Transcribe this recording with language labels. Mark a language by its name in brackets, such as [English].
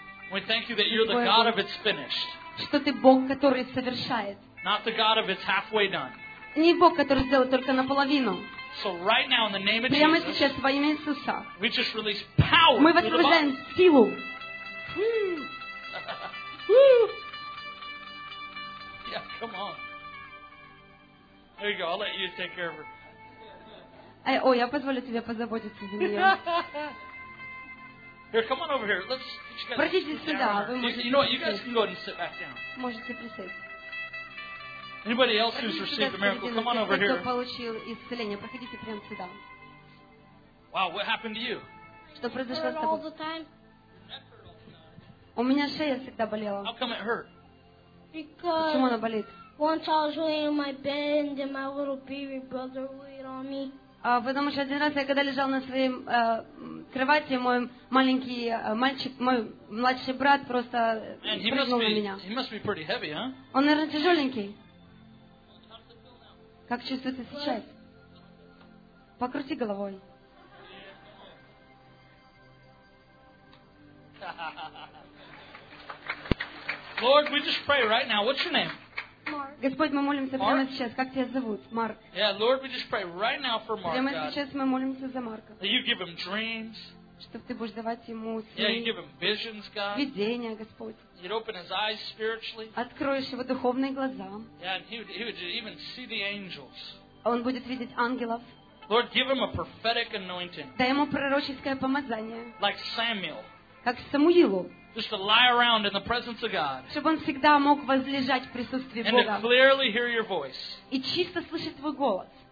[English] We thank you that you're the God of it's finished. [Russian] Что Ты Бог, который совершает. [English] Not the God of it's halfway done. [Russian] Не Бог, который сделал только наполовину. [English] So right now, in the name of [Russian] прямо [English] Jesus, [Russian] сейчас во имя Иисуса [English] we just release power [Russian] мы высвобождаем силу. [English] Yeah, come on. There you go. I'll let you take care of her. [Russian] Эй, о, я позволю тебе позаботиться за неё. [English] Here, come on over here. Let's get you guys. [Russian] Пройдите сюда. [English] You know what? You guys can go ahead and sit back down. [Russian] Можете присесть. [English] Anybody else who's received a miracle, come on over here. [Russian] Кто получил исцеление, проходите прямо сюда. [English] Wow, what happened to you? [Russian] Что произошло с тобой? У меня шея всегда болела. [English] How come it hurt? [Russian] Почему она болит? [English] Once I was laying in my bed and then my little baby brother laid on me. [Russian] Потому что один раз я когда лежал на своей кровати, мой маленький мальчик, мой младший брат просто прыгнул на меня. [English] He must be pretty heavy, huh? [Russian] Он, наверное, тяжеленький. Как чувствуется сейчас? Покрути головой. [English] Lord, we just pray right now. What's your name? Mark. [Russian] Господь, мы молимся прямо сейчас. Как тебя зовут? Марк. [English] Yeah, Lord, we just pray right now for Mark. [Russian] Прямо сейчас мы молимся за Марка. [English] That you give him dreams. [Russian] Чтобы ты будешь давать ему сны. [English] Yeah, you give him visions, God. [Russian] Видения, Господь. [English] You'd open his eyes spiritually. [Russian] Откроешь его духовные глаза. [English] Yeah, and he would even see the angels. [Russian] Он будет видеть ангелов. [English] Lord, give him a prophetic anointing. [Russian] Дай ему пророческое помазание. [English] Like Samuel. [Russian] Как Самуилу. [English] Just to lie around in the presence of God. [Russian] Чтобы он всегда мог возлежать в присутствии Бога. [English] And to clearly hear your voice. [Russian] И чисто слышать твой голос.